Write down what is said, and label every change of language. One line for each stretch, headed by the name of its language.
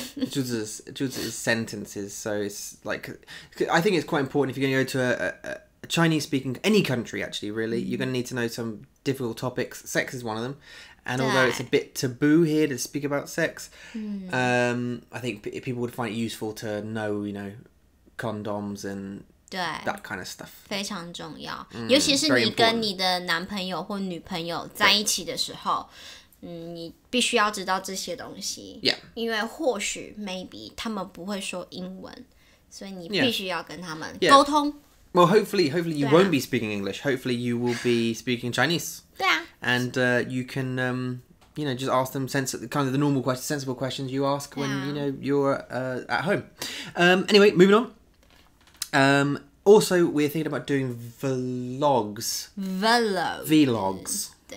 Chinese: 就是
English: sentences, so it's like, I think it's quite important if you're going to go to a Chinese speaking, any country actually, really, you're going to need to know some difficult topics. Sex is one of them. And although it's a bit taboo here to speak about sex, I think people would find it useful to know, you know, condoms and that kind of stuff.
Chinese: 非常重要，尤其是你跟你的男朋友或女朋友在一起的时候。你必须要知道这些东西、
English: yeah.
Chinese: 因为或许
English: maybe
Chinese: 他们不会说英文，所以你必须要跟他们沟通、
English: yeah. Well, hopefully you won't be speaking English. Hopefully you will be speaking Chinese.
Chinese: 对啊。
English: And you can, you know, just ask them kind of the normal questions, sensible questions you ask when、yeah. you know, you're at home. Anyway, moving on. Also, we're thinking about doing vlogs.